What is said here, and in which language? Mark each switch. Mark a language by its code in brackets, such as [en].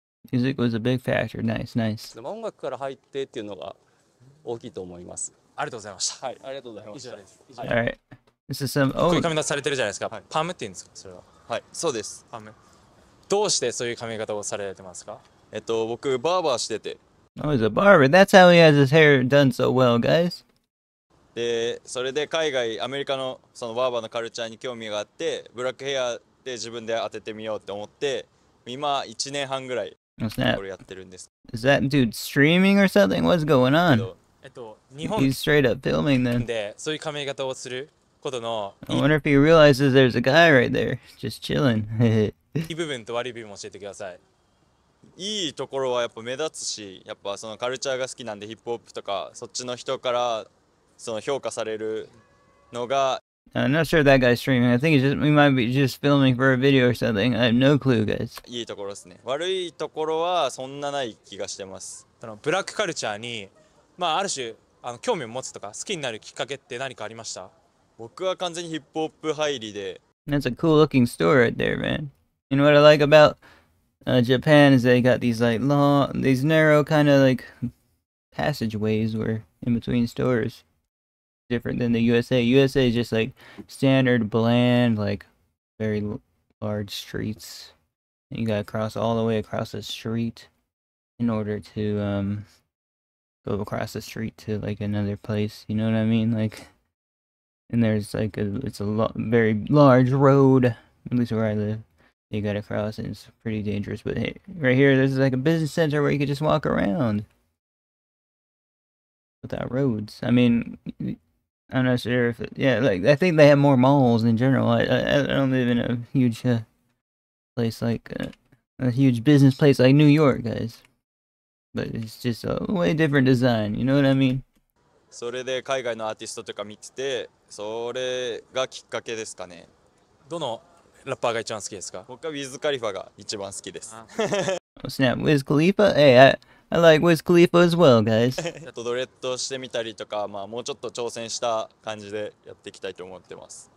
[en] Music was a big factor. Nice, nice. [ja] でも音楽から入ってっていうのが大きいと思います。ありがとうございました。はい、ありがとうございました。以上です。はい。 [en] All right. This is some old... [ja] こういう髪型されてるじゃないですか、はい、パームって言うんですかそれは。はい、そうです。パーム、どうしてそういう髪型をされてますか。僕バーバーしてて。 [en] Oh, he's a barber. That's how he has his hair done so well, guys. [ja] で、それで海外、アメリカのそのバーバーのカルチャーに興味があって、ブラックヘアで自分で当ててみようって思って、今1年半ぐらいこれやってるんです。 [en] Is that dude streaming or something? What's going on? [ja] 日本 [en] He's straight up filming then. [ja] で、そういう髪型をする、 [en] I wonder if he realizes there's a guy right there, just chilling. [ja] いい部分と悪い部分も教えてください。いいところはやっぱ目立つし、やっぱそのカルチャーが好きなんで、ヒップホップとかそっちの人からその評価されるのが。 [en] I'm not sure that guy's streaming. I think he's just, we might be just filming for a video or something. I have no clue, guys. [ja] いいところですね。悪いところはそんなない気がしてます。そのブラックカルチャーに、まあある種あの興味を持つとか好きになるきっかけって何かありました？僕は完全にヒップホップ入りで。 [en] That's a cool looking store right there, man. You know what I like about、Japan is they got these like long, these narrow kind of like passageways where in between stores. Different than the USA. USA is just like standard, bland, like very large streets. And you gotta cross all the way across the street in order to、go across the street to like another place. You know what I mean? Like. And there's like a, it's a lo- very large road, at least where I live. You gotta cross and it's pretty dangerous. But hey, right here, there's like a business center where you could just walk around without roads. I mean, I'm not sure if, it, yeah, like I think they have more malls in general. I don't live in a huge place like a huge business place like New York, guys. But it's just a way different design, you know what I mean? [ja] それで海外のアーティストとか見てて、それがきっかけですかね。どのラッパーが一番好きですか？僕はウィズ・カリファが一番好きです。 [en] Oh, snap. ウィズ・カリファ?Hey, I like ウィズ・カリファ as well, guys. [ja] ドレッドしてみたりとか、まあ、もうちょっと挑戦した感じでやっていきたいと思ってます。